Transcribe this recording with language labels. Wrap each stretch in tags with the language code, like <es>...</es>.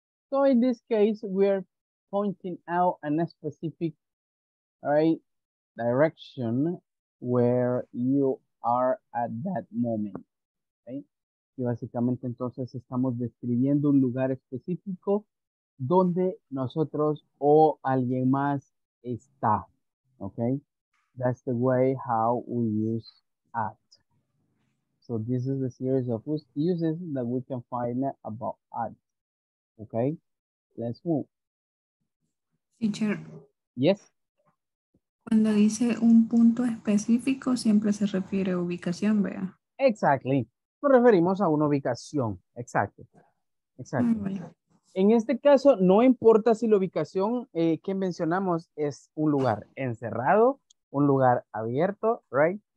<en>So in this case, we're pointing out a specific, all right, direction where you are at that moment, okay?</en> <es>Y básicamente entonces estamos describiendo un lugar específico donde nosotros o alguien más está, okay?</es> <en>That's the way how we use at. So this is the series of uses that we can find about at, okay? Let's move. Teacher. Yes.</en> <es>Cuando dice un punto específico, siempre se refiere a ubicación, vea.</es> <en>Exactly.</en> <es>Nos referimos a una ubicación. Exacto. Exacto. Mm. En este caso, no importa si la ubicación que mencionamos es un lugar encerrado, un lugar abierto, right?</es>